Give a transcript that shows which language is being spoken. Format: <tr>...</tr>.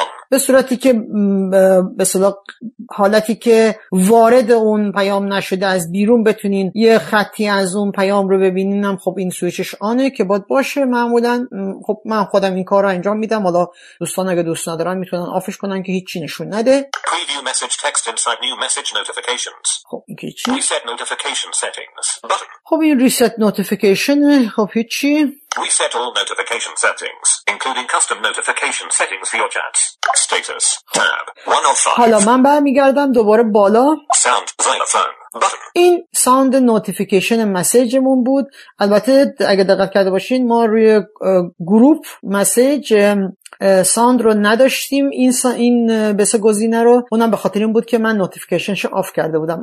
<fa>به صورتی که به صلاح حالتی که وارد اون پیام نشده از بیرون بتونین یه خطی از اون پیام رو ببینین، هم خب این سویچش آنه که باید باشه معمولا. خب من خودم این کار رو انجام میدم، حالا دوستان اگه دوست ندارن میتونن آفش کنن که هیچی نشون نده.</fa> <en>Preview message text inside new message notifications.</en> <fa>خب این که چی؟</fa> <en>Reset notification settings button.</en> <fa>خب این reset notification. خب هیچی.</fa> <en>Reset all notification settings including custom notification settings for your chats. Status tab 105.</en> <fa>حالا من برمیگردم دوباره بالا.</fa> <en>Sound xylophone.</en> <fa>این ساوند نوتیفیکیشن مسیجمون بود. البته اگه دقت کرده باشین ما روی گروپ مسیج ساوند رو نداشتیم، این بسه گزینه رو، اونم به خاطر این بود که من نوتیفیکیشنش آف کرده بودم.</fa>